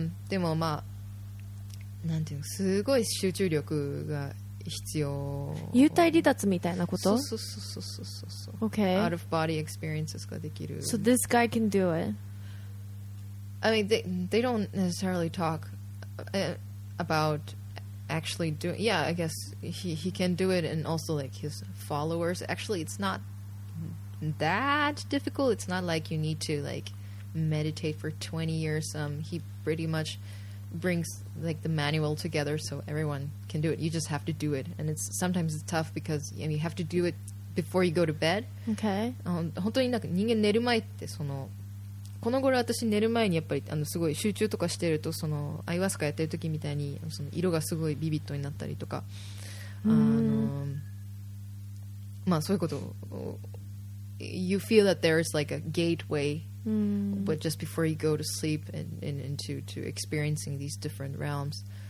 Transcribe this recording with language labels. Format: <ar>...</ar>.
<ja>でもまあ、なんていうの、すごい集中力が必要。幽体離脱みたいなこと？そうそうそうそうそうそう。</ja> <en>Okay. Out of body experiences</en> <ja>ができる。</ja> <en>So this guy can do it. I mean, they don't necessarily talk about actually doing. Yeah, I guess he can do it, and also like his followers. Actually, it's not that difficult. It's not like you need to like meditate for 20 years. He pretty much brings like the manual together so everyone can do it. You just have to do it, and it's sometimes it's tough because you have to do it before you go to bed. Okay.</en> <ja>本当になんか人間寝る前ってそのこの頃私寝る前にやっぱりあのすごい集中とかしてるとそのアイワスカやってる時みたいにその色がすごいビビッドになったりとか、まあそういうこと。</ja> <en>You feel that there's like a gateway. But just before you go to sleep and into experiencing these different realms.</en>